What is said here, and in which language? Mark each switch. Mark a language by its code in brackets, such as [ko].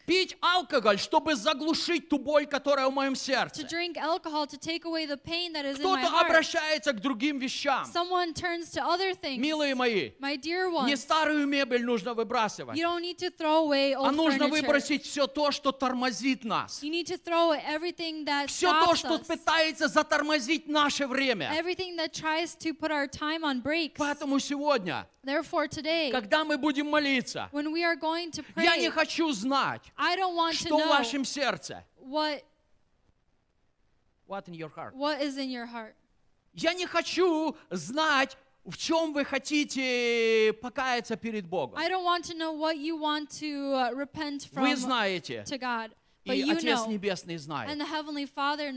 [ru] Пить алкоголь, чтобы заглушить ту боль, которая в моем сердце. [en] To drink alcohol to take away the pain that is in my heart. [ru] Кто-то обращается к другим вещам. [en] Someone turns to other things. [ru] Милые мои, [en] my dear ones, [ru] не старую мебель нужно выбрасывать. [en] You don't need to throw away old furniture. [ru] А нужно выбросить все то, что тормозит нас. [en] You need to throw away everything that stops us. [ru] Все то, что пытается затормозить наше время. [en] Everything that tries to put our time on breaks. [ru] Поэтому сегодня [en] therefore, today, [ru] когда мы будем молиться, [en] when we are going to pray, [ru] я не хочу знать, [en] I don't want [ru] что [en] to know [ru] в вашем сердце. [en] What in your heart? What is in your heart? [ru] Я не хочу знать, в чем вы хотите покаяться перед Богом. [en] I don't want to know what you want to repent from. [ru] Вы знаете, [en] to God, [ru] и [en] but you [ru] Отец [en] know, [ru] Небесный знает. [en] And the Heavenly Father knows.